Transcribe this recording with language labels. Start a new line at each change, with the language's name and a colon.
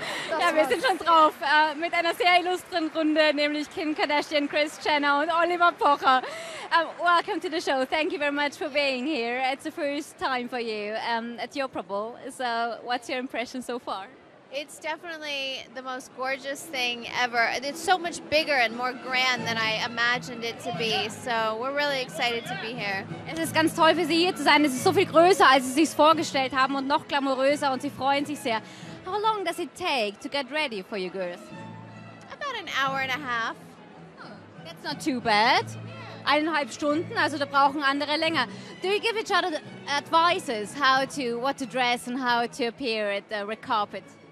German: Ja, wir sind schon drauf mit einer sehr illustren Runde, nämlich Kim Kardashian, Kris Jenner und Oliver Pocher.
English: Welcome to the show. Thank you very much for being here. It's the first time for you at the Opera Bowl. So what's your impression so far? It's definitely the most gorgeous thing ever. It's so much bigger and more grand than I imagined it to be. So we're really excited to be here.
German: Es ist ganz toll für Sie hier zu sein. Es ist so viel größer, als Sie sich's vorgestellt haben, und noch glamouröser. Und Sie freuen sich sehr.
English: How long does it take to get ready for you girls? About an hour and a half. Oh, that's not too bad.
German: Eineinhalb Stunden, also da brauchen andere länger.
English: Do you give each other advices how to what to dress and how to appear at the red carpet?